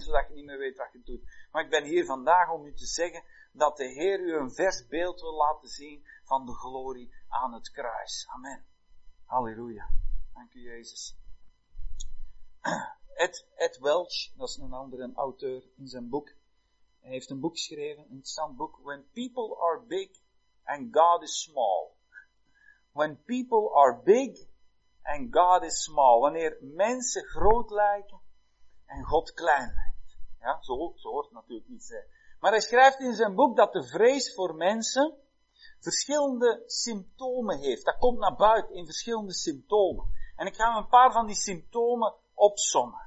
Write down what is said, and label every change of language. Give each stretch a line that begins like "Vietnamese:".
Dutch: Zodat je niet meer weet wat je doet. Maar ik ben hier vandaag om u te zeggen dat de Heer u een vers beeld wil laten zien van de glorie aan het kruis. Amen. Halleluja. Dank u, Jezus. Ed Welch, dat is een andere auteur in zijn boek. Hij heeft een boek geschreven, een interessant boek.
English: When people are big and God is small. When people are big and God is small.
Dutch: Wanneer mensen groot lijken en God klein lijkt. Ja, zo hoort het natuurlijk niet zijn. Maar hij schrijft in zijn boek dat de vrees voor mensen verschillende symptomen heeft. Dat komt naar buiten in verschillende symptomen. En ik ga een paar van die symptomen opsommen.